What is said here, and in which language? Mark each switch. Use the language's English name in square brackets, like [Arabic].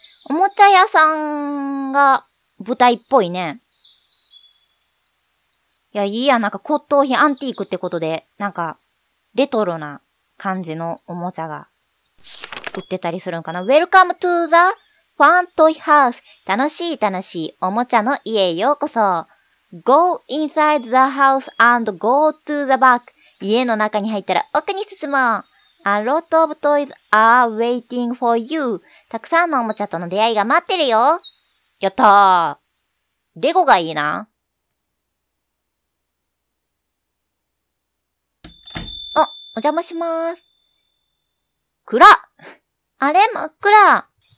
[Japanese] おもちゃ屋さんが舞台っぽいね。いや、いいや。なんか骨董品アンティークってことで、なんかレトロな感じのおもちゃが。売ってたりするんかな。 [English] Welcome to the Fun Toy House. [Japanese] 楽しい楽しいおもちゃの家へようこそ。 [English] Go inside the house and go to the back. [Japanese] 家の中に入ったら奥に進もう。 [English] A lot of toys are waiting for you. [Japanese] たくさんのおもちゃとの出会いが待ってるよ。やったー。レゴがいいな。あ、お邪魔します。暗っ。あれ？真っ暗。